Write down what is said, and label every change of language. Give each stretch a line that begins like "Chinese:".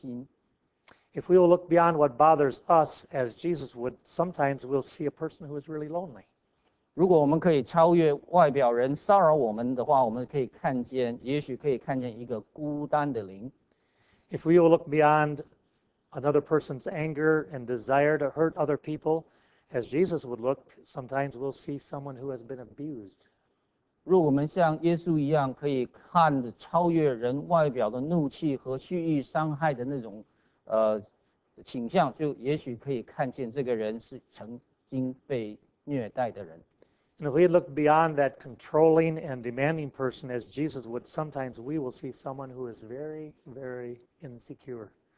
English: we will look beyond what bothers us as Jesus would, sometimes we'll see a person who is really lonely.
Chinese: 如果我们可以超越外表人骚扰我们的话，我们可以看见，也许可以看见一个孤单的灵。
English: If we will look beyond another person's anger and desire to hurt other people, as Jesus would look, sometimes we'll see someone who has been abused.
Chinese: 如果我们像耶稣一样，可以看超越人外表的怒气和蓄意伤害的那种倾向，就也许可以看见这个人是曾经被虐待的人。
English: And if we look beyond that controlling and demanding person as Jesus would, sometimes we will see someone who is very, very insecure.